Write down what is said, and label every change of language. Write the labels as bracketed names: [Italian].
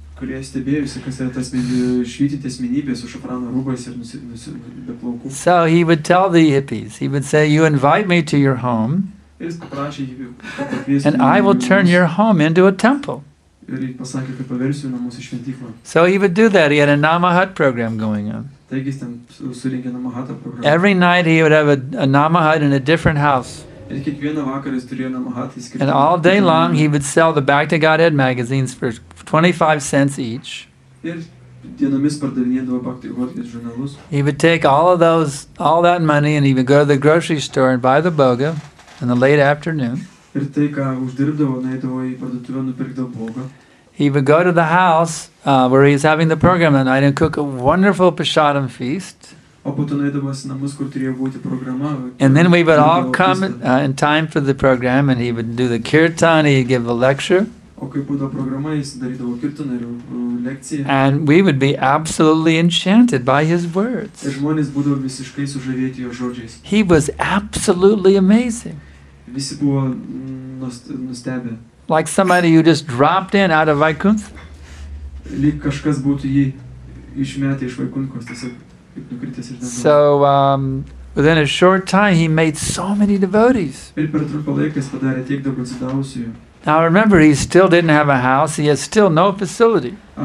[Lithuanian] Kurie stebėjusi, kas yra tas švytinti asmenybės su šafrano rūbais ir beplaukų. [English] So he would tell the hippies, he would say, you invite me to your home, and I will turn your home into a temple. [Lithuanian] Ir pasakė, kad paversiu namus į šventyklą. [English] So he would do that, he had a Namahat program going on. [Lithuanian] Taigi jis ten surinkė Namahatą programą. [English] Every night he would have a Namahat in a different house. [Lithuanian] Ir kiekvieną vakarą jis turėjo Namahat. [English] And all day long he would sell the Back to Godhead magazines for 25 cents each. [Lithuanian] Ir dienomis pardavinėdavo Back to Godhead žurnalus. [English] He would take all that money and he would go to the grocery store and buy the boga in the late afternoon. [Lithuanian] Ir tai, ką uždirbdavo, nueidavo į parduotuvę, nupirkdavo boga. [English] He would go to the house where he's having the program that night and cook a wonderful prasadam feast. [Lithuanian] O po to nueidavo į namus, kur turėjo būti programa. [English] And then we would all come in time for the program and he would do the kirtan, he'd give a lecture. [Lithuanian] O kai būdavo programa, jis darydavo kirtaną ir lekciją. [English] And we would be absolutely enchanted by his words. [Lithuanian] Ir žmonės būdavo visiškai sužavėti jo žodžiais. [English] He was absolutely amazing. [Lithuanian] Visi buvo nustebę. [English] Like somebody who just dropped in out of Vaikunth. [Lithuanian] Lyg kažkas būtų jį išmetę iš Vaikunkos, tiesiog nukritęs ir [English] dabar. So, within a short time he made so many devotees. [Lithuanian] Ir per trumpą laiką jis padarė tiek daug atsidavusiųjų. [English] Now remember, he still didn't have a house, he has still no facility.